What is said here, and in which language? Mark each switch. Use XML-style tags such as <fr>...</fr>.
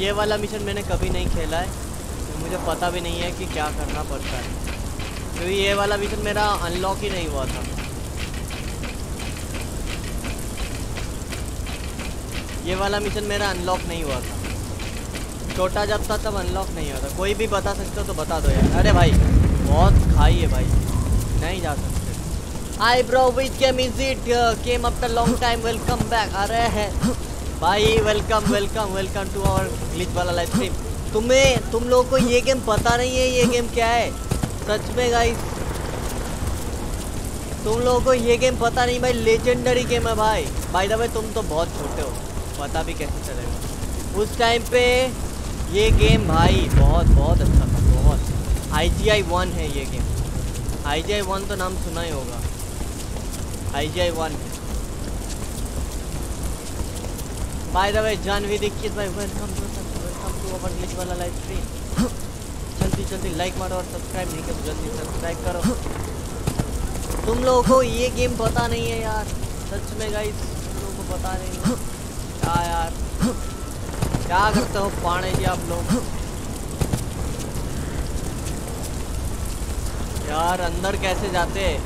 <hi>ये वाला मिशन मैंने कभी नहीं खेला है, तो मुझे पता भी नहीं है कि क्या करना पड़ता है, क्योंकि ये वाला मिशन मेरा अनलॉक ही नहीं हुआ था। ये वाला मिशन मेरा अनलॉक नहीं हुआ था, छोटा जब था तब अनलॉक नहीं हुआ था। कोई भी बता सकते हो तो बता दो यार। अरे भाई बहुत खाई है भाई, नहीं जा सकते।</hi> <en>Hi bro, which game is it? Came after long time, welcome back.</en> <hi>अरे है भाई,</hi> <en>welcome welcome welcome to our glitch वाला live stream.</en> <hi>तुम लोगों को ये game पता नहीं है ये game क्या है, सच में guys. तुम लोगों को ये game पता नहीं भाई, legendary game है भाई.</hi> <en>By the way</en> <hi>तुम तो बहुत छोटे हो, पता भी कैसे चलेगा. उस time पे ये game भाई बहुत बहुत अच्छा था, बहुत IGI 1 है ये game. IGI 1 तो नाम सुना ही होगा, IGI 1.</hi> <en>By the way, Janhvi Dikshit भाई, welcome to our glitch वाला live stream.</en> <hi>जल्दी जल्दी लाइक मारो और सब्सक्राइब नहीं करो, जल्दी सब्सक्राइब करो. तुम लोगों को ये गेम पता नहीं है यार, सच में गाइस तुम लोगों को पता नहीं है. क्या यार, क्या करते हो पाने जी आप लोग यार, अंदर कैसे जाते हैं.</hi>